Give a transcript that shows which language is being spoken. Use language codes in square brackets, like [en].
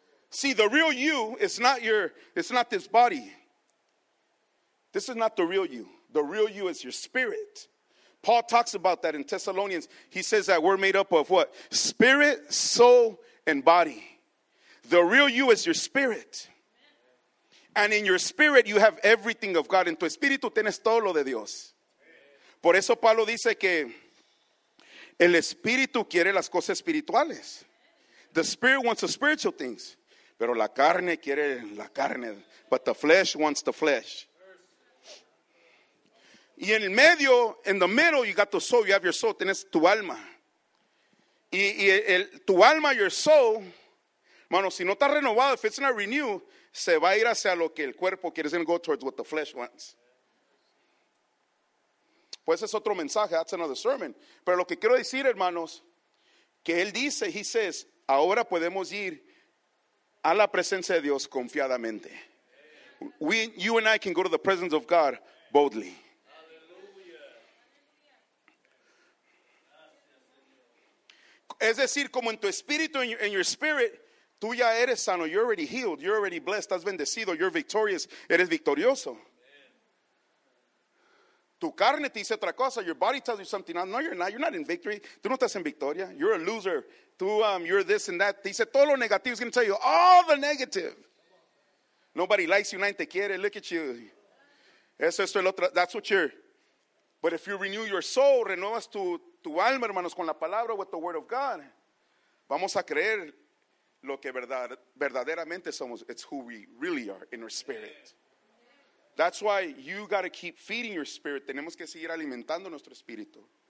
[en] See, the real you is not your, it's not this body. This is not the real you. The real you is your spirit. Paul talks about that in Thessalonians. He says that we're made up of what? Spirit, soul, and body. The real you is your spirit. And in your spirit, you have everything of God. [es] En tu espíritu tienes todo lo de Dios. Por eso Pablo dice que el espíritu quiere las cosas espirituales. [en] The spirit wants the spiritual things. [es] Pero la carne quiere la carne. [en] But the flesh wants the flesh. [es] Y en el medio, [en] in the middle, you got the soul. You have your soul. [es] Tienes tu alma. Y el, tu alma, [en] your soul, [es] mano, si no está renovado, [en] if it's not renewed, [es] se va a ir hacia lo que el cuerpo quiere. [en] It's going to go towards what the flesh wants. [es] Pues es otro mensaje. [en] That's another sermon. [es] Pero lo que quiero decir, hermanos, que él dice, [en] he says, [es] ahora podemos ir a la presencia de Dios confiadamente. [en] We, you and I can go to the presence of God boldly. [es] Es decir, como en tu espíritu, [en] in your spirit, [es] tú ya eres sano. [en] You're already healed. You're already blessed. [es] Estás bendecido. [en] You're victorious. [es] Eres victorioso. [en] Amen. [es] Tu carne te dice otra cosa. [en] Your body tells you something else. No, you're not. You're not in victory. [es] Tú no estás en victoria. [en] You're a loser. Tú, you're this and that. [es] Te dice todo lo negativo. [en] It's going to tell you all the negative. Nobody likes you. [es] Nadie te quiere. [en] Look at you. [es] Eso, esto, el otro. [en] That's what you're. But if you renew your soul, [es] renuevas tu alma, hermanos, con la palabra, [en] with the word of God, [es] vamos a creer lo que verdaderamente somos. [en] It's who we really are in our spirit. That's why you got to keep feeding your spirit. [es] Tenemos que seguir alimentando nuestro espíritu.